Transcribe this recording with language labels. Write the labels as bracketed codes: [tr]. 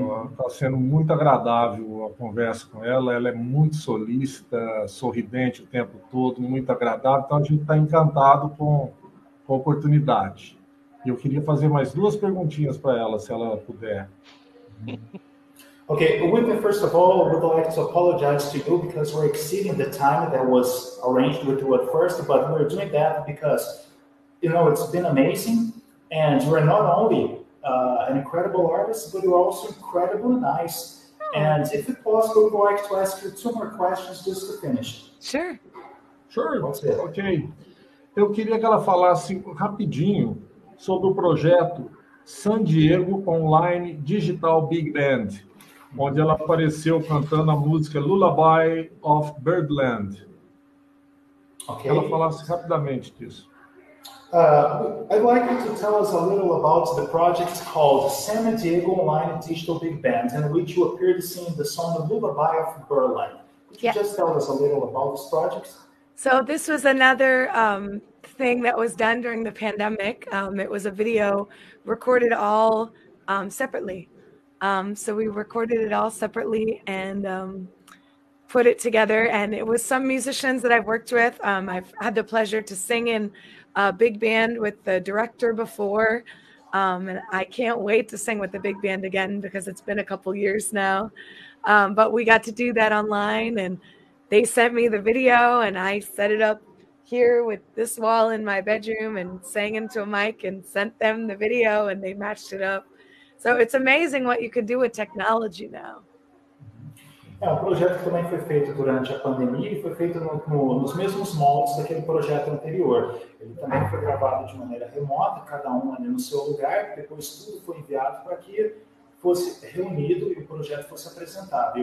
[pt] Está sendo muito agradável a conversa com ela. Ela é muito solícita, sorridente o tempo todo, muito agradável. Então, a gente está encantado com a oportunidade. Eu queria fazer mais 2 perguntinhas para ela, se ela puder. [en] Okay, Whitney, first of all, I would like to apologize to you because we're exceeding the time that was arranged with you at first, but we're doing that because, you know, it's been amazing, and you're not only an incredible artist, but you're also incredibly nice. And if it's possible, we'd like to ask you 2 more questions just to finish. Sure. Sure, okay. [pt] Eu queria que ela falasse rapidinho sobre o projeto San Diego Online Digital Big Band, onde ela apareceu cantando a música Lullaby of Birdland. [en] Okay. [pt] Ela falasse rapidamente disso. [en] I'd like you to tell us a little about the project called San Diego Online Digital Big Band, in which you appeared to sing the song Lullaby of Birdland. Could you just tell us a little about this project? So this was another thing that was done during the pandemic. It was a video recorded all separately. So we recorded it all separately and put it together. And it was some musicians that I've worked with. I've had the pleasure to sing in a big band with the director before. And I can't wait to sing with the big band again because it's been a couple years now. But we got to do that online, and they sent me the video, and I set it up here with this wall in my bedroom and sang into a mic and sent them the video, and they matched it up. So it's amazing what you can do with technology now. [pt] É, o projeto também foi feito durante a pandemia e foi feito no, no, nos mesmos moldes daquele projeto anterior. Ele também foi gravado de maneira remota, cada um ali no seu lugar, depois tudo foi enviado para que fosse reunido e o projeto fosse apresentado.